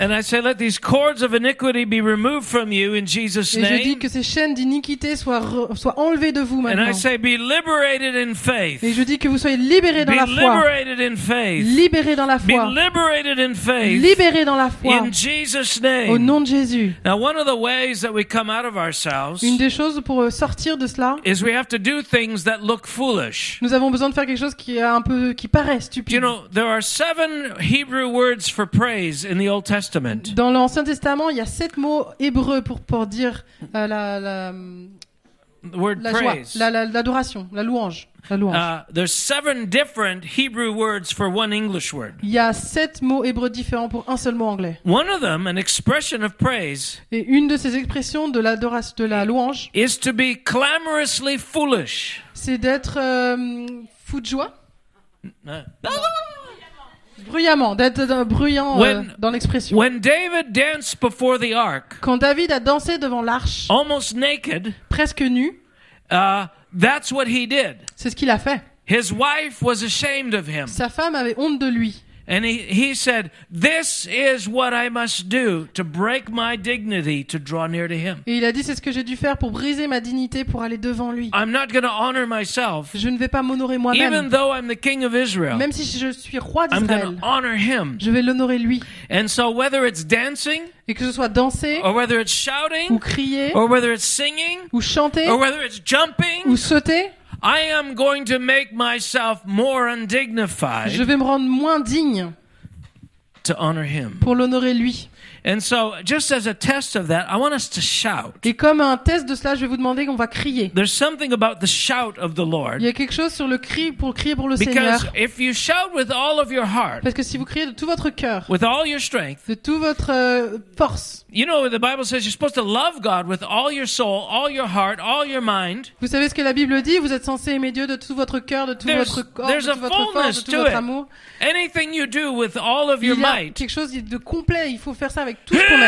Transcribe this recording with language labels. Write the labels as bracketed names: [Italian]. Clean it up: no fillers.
[English] And I say, let these cords of iniquity be removed from you in Jesus' name. [French] Et je dis que ces chaînes d'iniquité soient enlevées de vous maintenant. [English] And I say, be liberated in faith. [French] Et je dis que vous soyez libérés dans la foi. [English] Be liberated in faith. [French] Libérés dans la foi. [English] Be liberated in faith. [French] Libérés dans la foi. [English] In Jesus' name. [French] Au nom de Jésus. [English] Now, one of the ways that we come out of ourselves. [French] Une des choses pour sortir de cela. [English] Is we have to do things that look foolish. [French] Nous avons besoin de faire quelque chose qui est un peu qui paraît stupide. [English] You know, there are seven Hebrew words for praise in the Old Testament. [French] Dans l'Ancien Testament, il y a sept mots hébreux pour dire [English] the word [French] la [English] praise. [French] Joie, l'adoration, la louange, la louange. [English] There's seven different Hebrew words for one English word. [French] Il y a sept mots hébreux différents pour un seul mot anglais. [English] One of them, an expression of praise. [French] Et une de ces expressions de l'adoration, de la louange, [English] is to be clamorously foolish. [French] C'est d'être fou de joie. Bruyamment, d'être bruyant dans l'expression. [English] When David danced before the ark, [French] quand David a dansé devant l'arche, [English] almost naked, [French] presque nu, [English] that's what he did. [French] C'est ce qu'il a fait. [English] His wife was ashamed of him. [French] Sa femme avait honte de lui. [English] And he said, "This is what I must do to break my dignity to draw near to Him." [French] Et il a dit, c'est ce que j'ai dû faire pour briser ma dignité pour aller devant lui. [English] I'm not going to honor myself. [French] Je ne vais pas m'honorer moi-même. [English] Even though I'm the king of Israel. [French] Même si je suis roi d'Israël. [English] I'm going to honor Him. [French] Je vais l'honorer lui. [English] And so, whether it's dancing. [French] Et que ce soit danser, [English] or whether it's shouting, [French] ou crier, [English] or whether it's singing, [French] ou chanter, [English] or whether it's jumping, [French] ou sauter. [English] I am going to make myself more undignified. [French] Je vais me rendre moins digne. [English] to honor him. [French] Pour l'honorer lui. [English] And so, just as a test of that, I want us to shout. [French] Et comme un test de cela, je vais vous demander qu'on va crier. [English] There's something about the shout of the Lord. [French] Il y a quelque chose sur le cri pour crier pour le [English] Because [French] Seigneur. [English] Because if you shout with all of your heart. [French] Parce que si vous criez de tout votre cœur. [English] With all your strength. [French] De toute votre force. [English] You know the Bible says you're supposed to love God with all your soul, all your heart, all your mind. [French] Vous savez ce que la Bible dit, vous êtes censé aimer Dieu de tout votre cœur, de tout votre corps, de toute votre force, de tout votre amour. [English] Anything you do with all of your might. [French] Il y a quelque chose de complet, il faut faire ça avec tout ce qu'on a.